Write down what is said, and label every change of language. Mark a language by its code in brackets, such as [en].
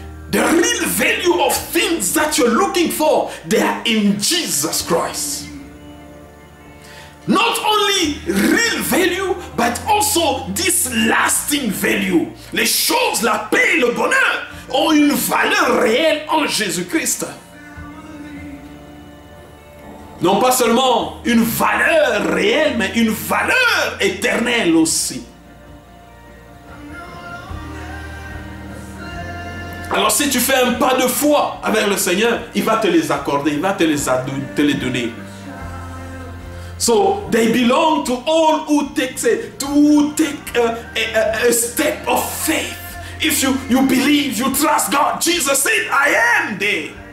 [en] The real value of things that you're looking for, they are in Jesus Christ. Not only real value, but also this lasting value. [fr] Les choses, la paix, le bonheur ont une valeur réelle en Jésus-Christ. Non pas seulement une valeur réelle, mais une valeur éternelle aussi. Alors si tu fais un pas de foi avec le Seigneur, il va te les accorder, il va te les donner. [en] So they belong to all who take a step of faith. If you believe, you trust God, Jesus said, I am there.